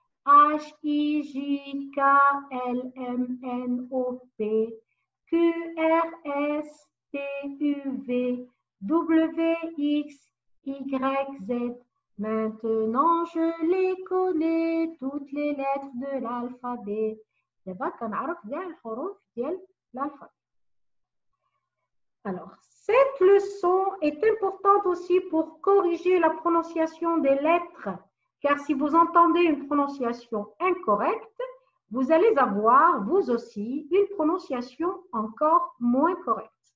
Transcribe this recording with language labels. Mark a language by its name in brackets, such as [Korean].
[French] H, I, J, K, L, M, N, O, P, Q, R, S, T, U, V, W, X, Y, Z. Maintenant, je les connais, toutes les lettres de l'alphabet. [Arabic] دابا كنعرف كاع الحروف ديال الالفابي. [French] Alors, cette leçon est importante aussi pour corriger la prononciation des lettres, car si vous entendez une prononciation incorrecte, vous allez avoir, vous aussi, une prononciation encore moins correcte.